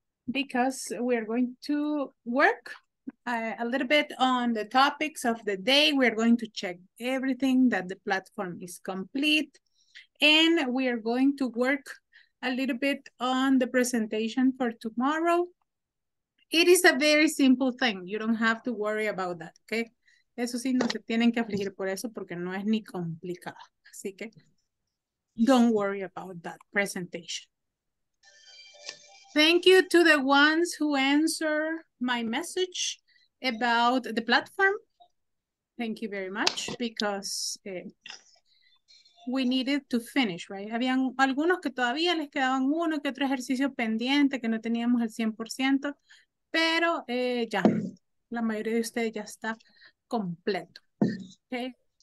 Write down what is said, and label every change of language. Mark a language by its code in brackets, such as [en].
[en] Because we are going to work a little bit on the topics of the day. We are going to check everything that the platform is complete. And we are going to work a little bit on the presentation for tomorrow. It is a very simple thing. You don't have to worry about that, okay? [es] Eso sí, no se tienen que afligir por eso porque no es ni complicado. Así que [en] don't worry about that presentation. Thank you to the ones who answer my message about the platform. Thank you very much because we needed to finish, right? [es] Habían algunos que todavía les quedaban uno que otro ejercicio pendiente que no teníamos el 100%, pero ya, la mayoría de ustedes ya está completo. Okay.